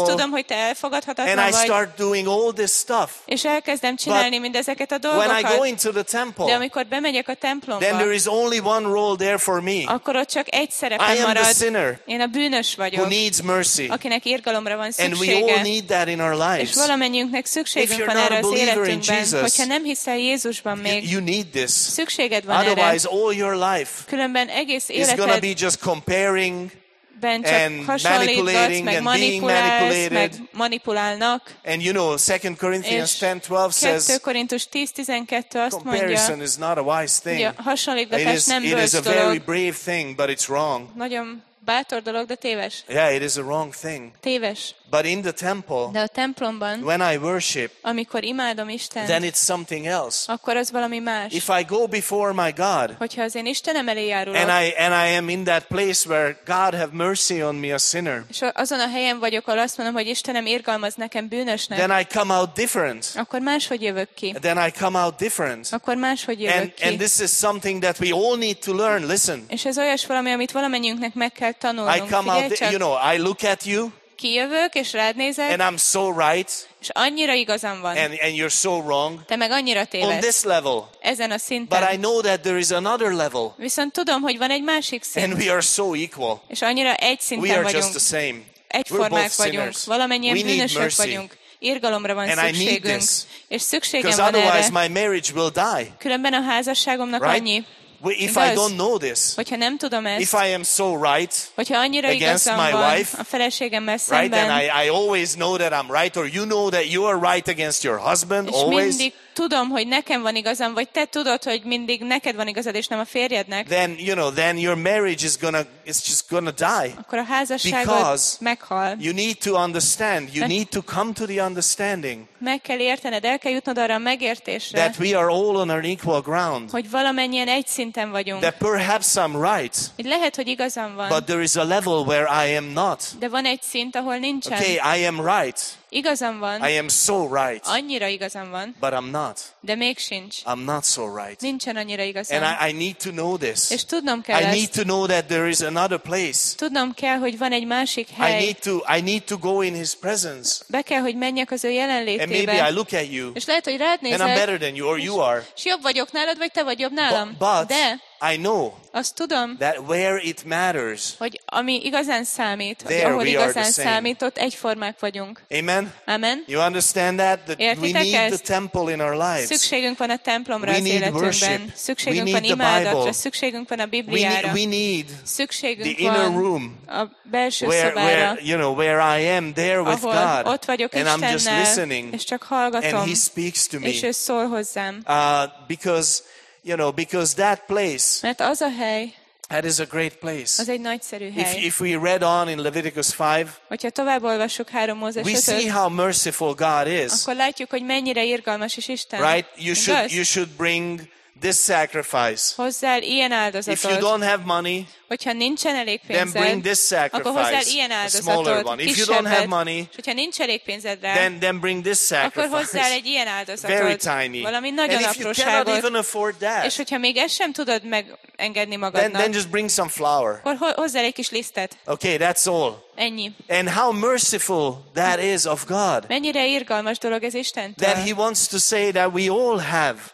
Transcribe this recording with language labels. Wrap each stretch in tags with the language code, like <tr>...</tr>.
<hu>Azt tudom, hogy te elfogadhatatlan</hu> <en>and</en> <hu>vagy.</hu> <en>I start doing all this stuff.</en> <hu>És elkezdem csinálni</hu> <en>but</en> <hu>mindezeket a dolgokat.</hu> <en>When I go into the temple,</en> <hu>amikor bemegyek a templomba,</hu> <en>then there is only one role there for me.</en> <hu>Akkor ott csak egy szerepem marad. Én a bűnös vagyok.</hu> <en>Who needs mercy.</en> <hu>Akinek irgalomra van szüksége.</hu> <en>And we all need that in our lives.</en> <hu>És valamennyünknek szükségünk van erre az életünkben. Hogyha nem hiszel Jézusban még,</hu> <en>you need this.</en> <hu>Szükséged van</hu> <en>otherwise,</en> <hu>erre.</hu> <en>All your life</en> <hu>különben egész életed</hu> <en>is gonna be just comparing and manipulating and being manipulated.</en> <hu>Manipulálnak.</hu> <en>And you know, 2 Corinthians 10:12 says comparison is not a wise thing.</en> <hu>Hasonlítgatás nem bölcs dolog.</hu> <en>It is a very brave thing, but it's wrong.</en> <hu>Nagyon bátor dolog, de téves.</hu> <en>Yeah, it is a wrong thing.</en> <hu>Téves.</hu> <en>But in the temple,</en> <hu>de a templomban,</hu> <en>when I worship,</en> <hu>amikor imádom Istent,</hu> <en>then it's something else.</en> <hu>Akkor az valami más.</hu> <en>If I go before my God,</en> <hu>hogyha az én Istenem elé járulok,</hu> <en>and I am in that place where God have mercy on me, a sinner.</en> <hu>És azon a helyen vagyok, ahol azt mondom, hogy Istenem irgalmaz nekem bűnösnek.</hu> <en>Then I come out different.</en> <hu>Akkor máshogy jövök ki.</hu> <en>Then I come out different.</en> <hu>Akkor máshogy jövök ki.</hu> <en>And this is something that we all need to learn. Listen.</en> <hu>És ez olyas valami, amit valamennyünknek meg kell tanulnunk.</hu> <en>I come out, you know, I look at you.</en> <hu>Kijövök, és rád nézek,</hu> <en>and I'm so right.</en> <hu>És annyira igazam van.</hu> <en>And you're so wrong.</en> <hu>Te meg annyira tévedsz.</hu> <en>On this level.</en> <hu>Ezen a szinten.</hu> <en>But I know that there is another level.</en> <hu>Viszont tudom, hogy van egy másik szint.</hu> <en>And we are so equal.</en> <hu>És annyira egy szinten vagyunk.</hu> <en>We are just the same.</en> <hu>Egyformák vagyunk. Valamennyien bűnösök vagyunk. Irgalomra van szükségünk. És szükségem van erre.</hu> <en>Otherwise my marriage will die.</en> <hu>Különben a házasságomnak annyi.</hu> <en>If I don't know this,</en> <hu>hogyha nem tudom ezt,</hu> <en>if I am so right against my wife,</en> <hu>a feleségemmel szemben,</hu> <en>right, then I always know that I'm right, or you know that you are right against your husband, always.</en> <hu>Mindig tudom, hogy nekem van igazam, vagy te tudod, hogy mindig neked van igazad, és nem a férjednek.</hu> <en>Then, you know, then your marriage is gonna, it's just gonna die.</en> <hu>Akkor a házasságod meghal.</hu> <en>You need to understand, you need to come to the understanding.</en> <hu>Meg kell értened, el kell jutnod arra a megértésre.</hu> <en>That we are all on an equal ground.</en> <hu>Hogy valamennyien egy szinten vagyunk.</hu> <en>That perhaps I'm right.</en> <hu>Hogy lehet, hogy igazam van.</hu> <en>But there is a level where I am not.</en> <hu>De van egy szint, ahol nincsen.</hu> <en>Okay, I am right.</en> <hu>Igazam van.</hu> <en>I am so right.</en> <hu>Annyira igazam van.</hu> <en>But I'm not.</en> <hu>De még sincs.</hu> <en>I'm not so right.</en> <hu>Nincsen annyira igazam.</hu> <en>And I need to know this.</en> <hu>És tudnom kell</hu> <en>I</en> <hu>ezt.</hu> <en>Need to know that there is another place.</en> <hu>Tudnom kell, hogy van egy másik hely.</hu> <en>I need to go in his presence.</en> <hu>Be kell, hogy menjek az ő jelenlétébe.</hu> <en>And maybe I look at you.</en> <hu>És lehet, hogy rád nézek.</hu> <en>And I'm better than you, or you are.</en> <hu>És jobb vagyok nálad, vagy te vagy jobb nálam.</hu> <en>But I know.</en> <hu>Azt tudom.</hu> <en>That where it matters.</en> <hu>Hogy ami igazán számít, ahol igazán számít, ott egyformák vagyunk. Amen. Amen.</hu> <en>You understand that? That we need</en> <hu>ezt?</hu> <en>The temple in our lives.</en> <hu>Szükségünk van a templomra az életünkben. Szükségünk van imádatra. Szükségünk van a Bibliára.</hu> <en>We need</en> <hu>szükségünk</hu> <en>the inner room.</en> <hu>A belső szobára.</hu> <en>Where you know where I am there with God.</en> <hu>Ott vagyok Istennel.</hu> <en>And I'm just listening.</en> <hu>És csak hallgatom.</hu> <en>And he speaks to me.</en> <hu>És ő szól hozzám.</hu> <en>Because you know, because that place,</en> <hu>mert az a hely,</hu> <en>that is a great place.</en> <hu>Az egy nagyszerű hely.</hu> <en>If we read on in Leviticus 5,</en> <hu>hogyha tovább olvassuk 3 Mózes 5-öt,</hu> <en>we see how merciful God is.</en> <hu>Akkor látjuk, hogy mennyire irgalmas is Isten.</hu> <en>Right? You should bring this sacrifice.</en> <hu>Hozzál ilyen áldozatot.</hu> <en>If you don't have money,</en> <hu>hogyha nincsen elég pénzed,</hu> <en>then bring this sacrifice,</en> <hu>a</hu> <en>smaller one.</en> <hu>Kisebbet,</hu> <en>if you don't have money,</en> <hu>hogyha nincs elég pénzed rá,</hu> <en>then bring this sacrifice.</en> <hu>Akkor hozzál egy ilyen áldozatot.</hu> <en>Very tiny.</en> <hu>Valami nagyon apróságot.</hu> <en>And if you cannot even afford that,</en> <hu>és hogyha még ezt sem tudod megengedni magadnak,</hu> <en>then just bring some flour.</en> <hu>Akkor hozzál egy kis lisztet.</hu> <en>Okay, that's all.</en> <hu>Ennyi.</hu> <en>And how merciful that is of God.</en> <hu>Mennyire irgalmas dolog ez Istentől.</hu> <en>That he wants to say that we all have,</en>